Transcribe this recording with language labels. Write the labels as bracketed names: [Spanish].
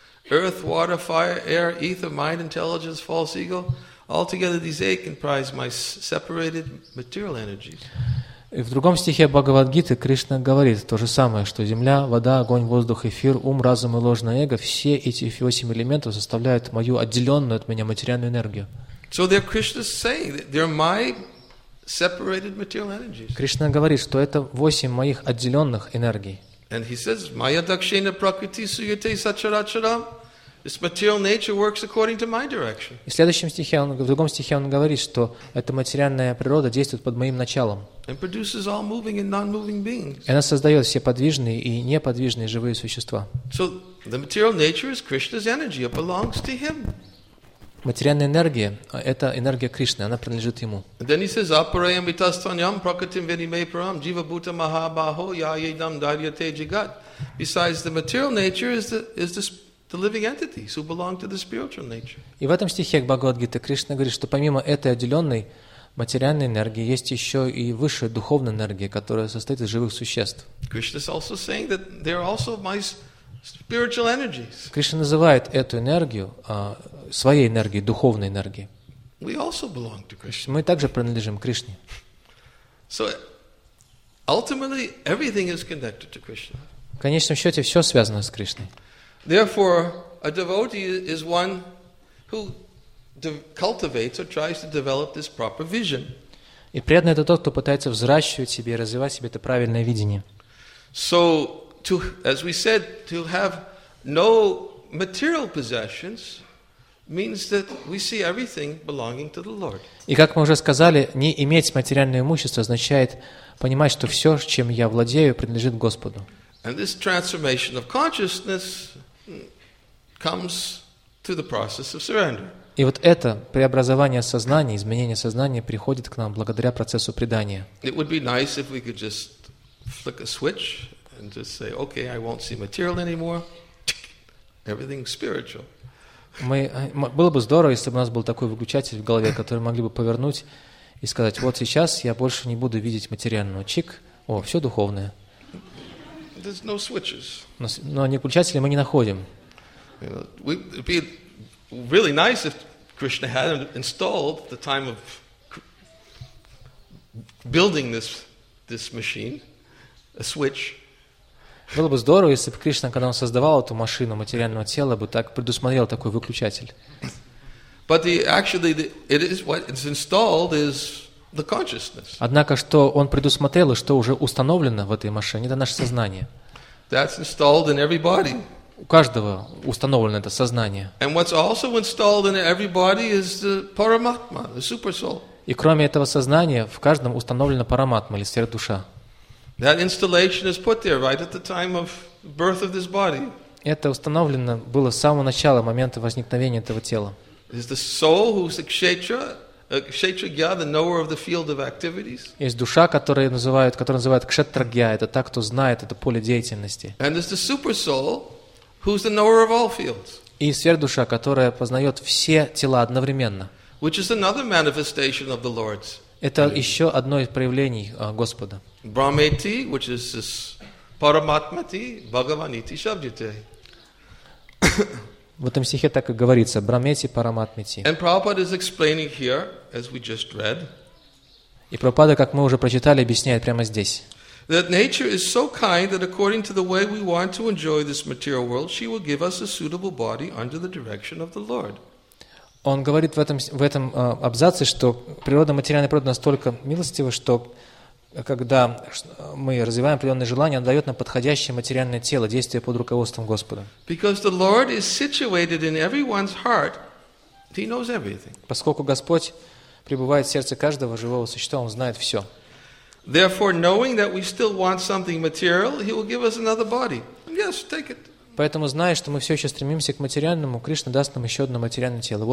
[English] Earth, water, fire, air, ether, mind, intelligence, false ego, altogether these eight comprise my separated material energies. [Russian] И в другом стихе Бхагавад-гиты Кришна говорит то же самое, что земля, вода, огонь, воздух, эфир, ум, разум и ложное эго, все эти восемь элементов составляют мою отделенную от меня материальную энергию. [English] So there Krishna's saying that they're my separated material energies. [Russian] Кришна говорит, что это восемь моих отделенных энергий. [English] And he says, [Sanskrit] Maya Dakshina Prakriti Suyate Sacharacharam. [English] This material nature works according to my direction. [Russian] И в следующем стихе, в другом стихе он говорит, что эта материальная природа действует под моим началом. [English] And produces all moving and non-moving beings. [Russian] И она создает все подвижные и неподвижные живые существа. [English] So the material nature is Krishna's energy. It belongs to him. [Russian] Материальная энергия – это энергия Кришны, она принадлежит Ему. [English] Then he says, [Sanskrit] Апараям витастваням прокатим венимей парам джива бута маха бахо я едам дарьяте джигат. [English] Besides, the material nature is the living entities who belong to the spiritual nature. [Russian] И в этом стихе Бхагавад-гиты Кришна говорит, что помимо этой отделенной материальной энергии есть еще и высшая духовная энергия, которая состоит из живых существ. [English] Krishna is also saying that they are also my spiritual energies. [Russian] Кришна называет эту энергию своей энергией, духовной энергией. [English] We also belong to Krishna. [Russian] Мы также принадлежим Кришне. [English] So ultimately everything is connected to Krishna. [Russian] В конечном счете все связано с Кришной. [English] Therefore, a devotee is one who cultivates or tries to develop this proper vision. [Russian] И преданный это тот, кто пытается взращивать себе и развивать себе это правильное видение. [English] So to, as we said, to have no material possessions means that we see everything belonging to the Lord. [Russian] И как мы уже сказали, не иметь материальное имущество означает понимать, что все, чем я владею, принадлежит Господу. [English] And this transformation of consciousness comes through the process of surrender. [Russian] И вот это преобразование сознания, изменение сознания приходит к нам благодаря процессу предания. [English] It would be nice if we could just flick a switch. And just say, okay, I won't see material anymore. Everything spiritual. [Russian] Было бы здорово, если бы у нас был такой выключатель в голове, который могли бы повернуть и сказать: вот сейчас я больше не буду видеть материального. Чик, о, все духовное. [English] There's no switches. [Russian] Но ни выключателей мы не находим. [English] It'd be really nice if Krishna had installed the time of building this machine, a switch. [Russian] Было бы здорово, если бы Кришна, когда он создавал эту машину материального тела, бы так предусмотрел такой выключатель. Однако, что он предусмотрел и что уже установлено в этой машине, это наше сознание. [English] That's installed in everybody. [Russian] У каждого установлено это сознание. [English] And what's also installed in everybody is the Paramatma, the super soul. [Russian] И кроме этого сознания, в каждом установлена Параматма или сверхдуша. [English] That installation is put there right at the time of birth of this body. [Russian] Это установлено было с самого начала момента возникновения этого тела. [English] Is the soul who's a kshetra-gya, the knower of the field of activities? [Russian] Есть душа, которую называют кшетрагья, это та, кто знает это поле деятельности. [English] And is the super soul who's the knower of all fields? [Russian] И сверхдуша, которая познает все тела одновременно. [English] Which is another manifestation of the Lord's. [Russian] Это еще одно из проявлений Господа. [English] Brahmeti, which is this Paramatmati, Bhagavaniti Shabdite. [Russian] В этом стихе так и говорится: Брамети Параматмати. [English] And Prabhupada is explaining here, as we just read. [Russian] И Прабхупада, как мы уже прочитали, объясняет прямо здесь. [English] That nature is so kind that according to the way we want to enjoy this material world, she will give us a suitable body under the direction of the Lord. [Russian] Он говорит в этом абзаце, что природа материальной природы настолько милостива, что когда мы развиваем определенные желания, он дает нам подходящее материальное тело, действие под руководством Господа. [English] Because the Lord is situated in everyone's heart, He knows everything. [Russian] Поскольку Господь пребывает в сердце каждого живого существа, Он знает все. [English] Therefore, knowing that we still want something material, He will give us another body. Yes, take it. [Russian] Поэтому, зная, что мы все еще стремимся к материальному, Кришна даст нам еще одно материальное тело.